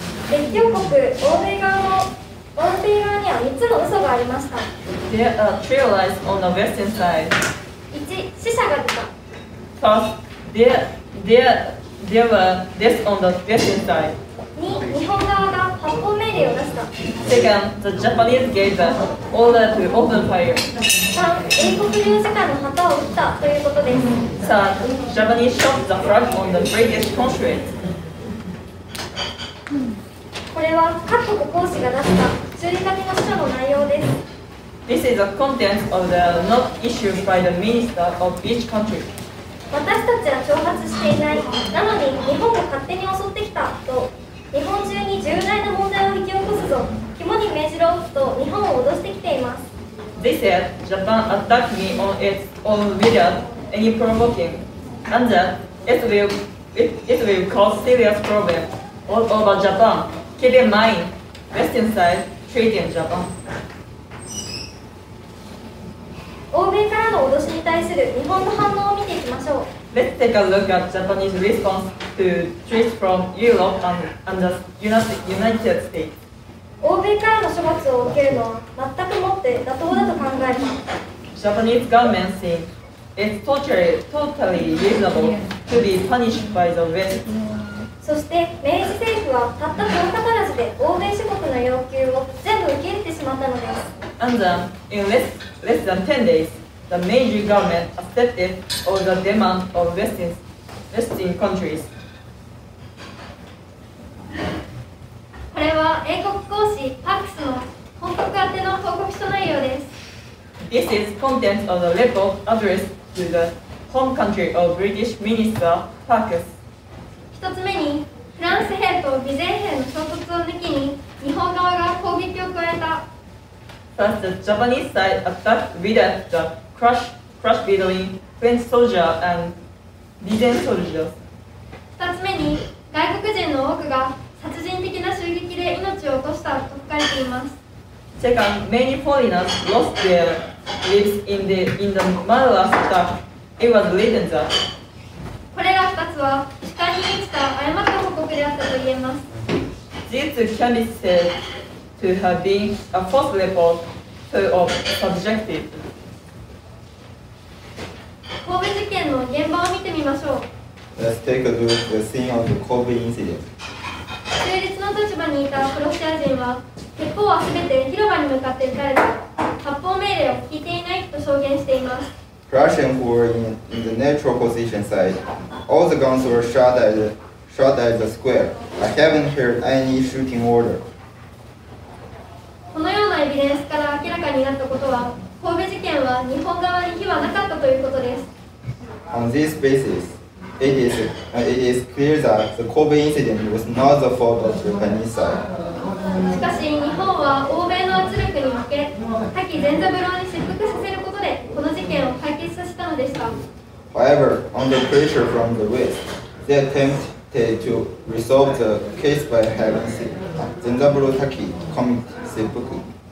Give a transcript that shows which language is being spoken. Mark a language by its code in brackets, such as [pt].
[ja] 列強国、欧米側には3つの嘘がありました。 [en] There are three lies on the western side. [ja] 1. 死者が出た。 [en] First, there were deaths on the western side. [ja] 2. 日本側が発砲命令を出した。 [en] Second, the Japanese gave the order to open fire. [ja] 3. 英国領事館の旗を撃ったということです。 [en] 3. Japanese shot the flag on the British consulate. [ja] これは各国公使が出した注意書きの書の内容です。 [en] This is the contents of the note issued by the minister of each country. [ja] 私たちは挑発していない、なのに日本が勝手に襲ってきたと、日本中に重大な問題を引き起こすぞ、肝に銘じろと日本を脅してきています。 [en] They said Japan attacked me on its own without any provoking, and that it will cause serious problems all over Japan. Keep in mind, Western side, treaty in Japan. [ja] 欧米からの脅しに対する日本の反応を見ていきましょう。 [en] Let's take a look at Japanese response to threats from Europe and the United States. [ja] 欧米からの処罰を受けるのは全くもって妥当だと考えます。 [en] Japanese government thinks it's totally reasonable to be punished by the West. [ja] そして明治政府はたった10日足らずで欧米諸国の要求を全部受け入れてしまったのです。 [en] And then, in less than 10 days, the Meiji government accepted all the demands of Western countries. [ja] これは英国公使パークスの本国宛ての報告書内容です。 [en] This is content of the report addressed to the home country of British Minister Parkes. [ja] 1つ目に、フランス兵と備前兵の衝突を抜きに、日本側が攻撃を加えた。 [en] First, the Japanese side attacked without the crush between French soldiers and 備前 soldiers. [ja] 2つ目に、外国人の多くが殺人的な襲撃で命を落としたと書いています。 [en] Second, many foreigners lost their lives in the murder attack. It was written that. [ja] これら2つは、主観に満ちた誤った報告であったと言えます。 [en] These two can be said to have been a false report, full of subjective. [ja] 神戸事件の現場を見てみましょう。 [en] Let's take a look at the scene of the Kobe incident. [ja] 中立の立場にいたクロシア人は、鉄砲は全て広場に向かって撃たれた。発砲命令を聞いていないと証言しています。 [en] Russians were in the neutral position side. All the guns were shot at the square. I haven't heard any shooting order. [ja] このようなエビデンスから明らかになったことは、神戸事件は日本側に非はなかったということです。 [en] On this basis, it is clear that the Kobe incident was not the fault of the Japanese side. [ja] しかし、日本は欧米の圧力に負け、滝善三郎に失格させる。 [en] However, under pressure from the West, they attempted to resolve the case by having Zenzaburo Taki commit seppuku.